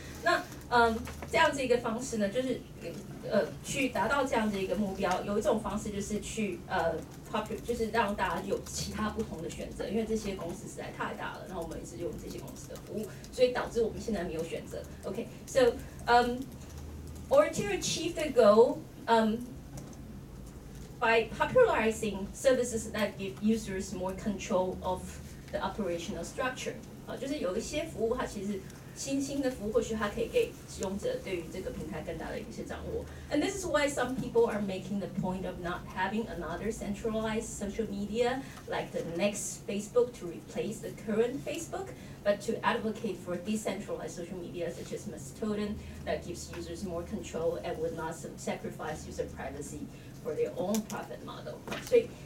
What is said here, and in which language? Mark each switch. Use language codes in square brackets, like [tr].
[zh] 那这样子一个方式呢，就是去达到这样子一个目标，有一种方式就是去就是让大家有其他不同的选择，因为这些公司实在太大了，然后我们也是用这些公司的服务，所以导致我们现在没有选择。 [en] Okay, so or to achieve the goal, by popularizing services that give users more control of the operational structure. [zh] 就是有一些服务它其实新兴的服务或许它可以给使用者对于这个平台更大的一些掌握。 [en] And this is why some people are making the point of not having another centralized social media like the next Facebook to replace the current Facebook, but to advocate for decentralized social media such as Mastodon that gives users more control and would not sacrifice user privacy.for their own profit model. 所以